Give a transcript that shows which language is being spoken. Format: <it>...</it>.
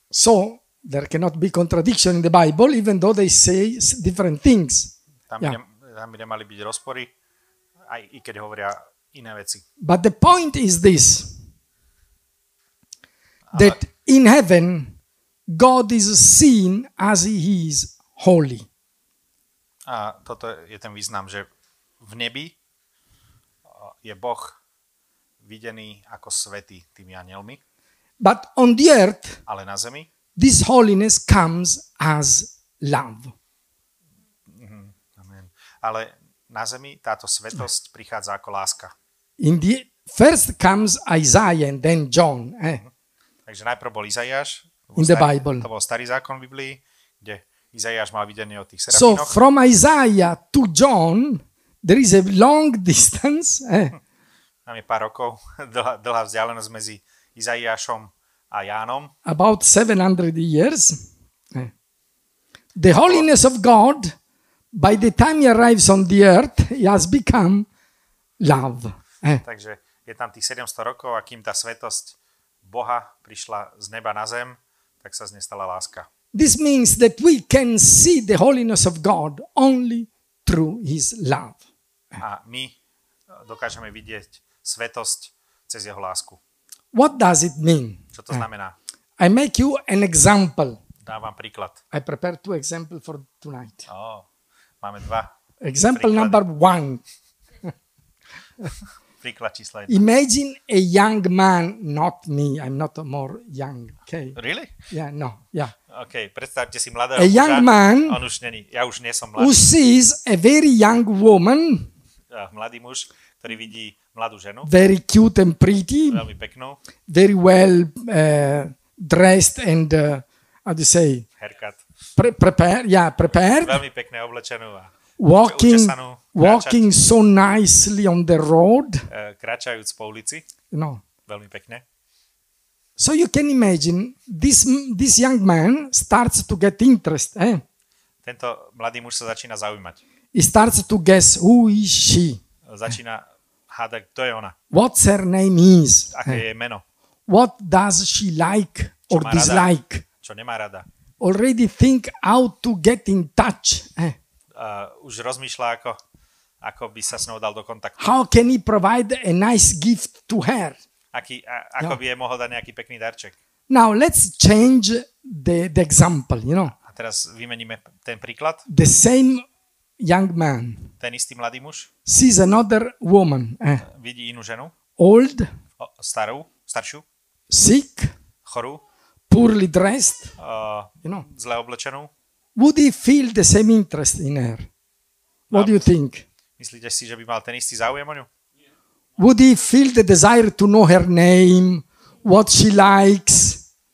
<en>So, there cannot be contradiction in the Bible, even though they say different things.</en> <sk>Tam by nemali byť rozpory, aj i keď hovoria iné veci.</sk> <en>But the point is this, that in heaven, God is seen as he is holy.</en> <sk>A toto je ten význam, že v nebi je Boh videný ako svätý tými anjelmi.</sk> <en>But on the earth,</en> <sk>ale na zemi,</sk> <en>this holiness comes as love. Amen.</en> <sk>Ale na zemi táto svetosť prichádza ako láska.</sk> <en>In the first comes Isaiah and then John.</en> <sk>Takže najprv bol Izaiáš.</sk> <en>In the Bible.</en> <sk>To bol starý zákon v Biblii, kde Izaiáš mal videnie o tých serafinoch.</sk> <en>So from Isaiah to John, there is a long distance.</en> <sk>Tam je pár rokov, dlhá vzdialenosť medzi Izaiášom a Jánom.</sk> <en>About 700 years. The holiness of God, by the time he arrives on the earth, he has become love.</en> <sk>Takže je tam tých 700 rokov, a kým tá svetosť Boha prišla z neba na zem, tak sa z nej stala láska.</sk> <en>This means that we can see the holiness of God only through his love.</en> <sk>A my dokážeme vidieť svetosť cez jeho lásku.</sk> <en>What does it mean?</en> <sk>Čo to znamená?</sk> <en>I make you an example.</en> <sk>Dávam príklad.</sk> <en>I prepare two examples for tonight.</en> <sk>Oh, máme dva.</sk> <en>Example</en> <sk>príklady.</sk> <en>Number one.</en> <sk>Príklad číslo 1.</sk> <en>Imagine a young man, not me, I'm not more young. Okay. Really? Yeah, no, yeah.</en> <sk>Okay, predstavte si mladého muža.</sk> <en>A young man,</en> <sk>on už není, ja už nie som mladý.</sk> <en>Who sees a very young woman.</en> <sk>Mladý muž, ktorý vidí mladú ženu.</sk> <en>Very cute and pretty.</en> <sk>Veľmi peknú.</sk> <en>Very well dressed and, how do you say? Haircut. Prepared.</en> <sk>Veľmi pekne oblečenú a</sk> <en>walking, walking so nicely on the road.</en> <sk>Kráčajúc po ulici. No. Veľmi pekne.</sk> <en>So you can imagine, this young man starts to get interest.</en> <sk>Tento mladý muž sa začína zaujímať.</sk> <en>He starts to guess who is she.</en> <sk>Začína hádať, kto je ona.</sk> <en>What's her name is.</en> <sk>Aké je meno.</sk> <en>What does she like or dislike.</en> <sk>Rada, čo nemá rada.</sk> <en>Already think how to get in touch.</en> <sk>Už rozmýšľa, ako by sa s ňou dal do kontaktu.</sk> <en>How can he provide a nice gift to her?</en> <sk>Ako by jej mohol dať nejaký pekný darček?</sk> <en>Now let's change the example, you know.</en> <sk>A teraz vymeníme ten príklad.</sk> <en>The same young man.</en> <sk>Ten istý mladý muž.</sk> <en>Sees another woman.</en> <sk>Vidí inú ženu.</sk> <en>Old.</en> <sk>Starú, staršiu.</sk> <en>Sick.</en> <sk>Chorú.</sk> <en>Poorly dressed. You know.</en> <sk>Zle oblečenú.</sk> <en>Would he feel the same interest in her? What do you think?</en> <sk>Myslíte si, že by mal ten istý záujem o ňu?</sk> <en>Would he feel the desire to know her name, what she likes?</en>